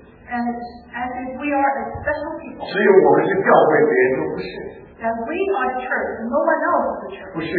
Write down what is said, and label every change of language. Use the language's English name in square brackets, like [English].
[English] And if we are a special people, [Chinese] 只有我们是教会，别人都不是。 [English] That we are church, no one knows the church.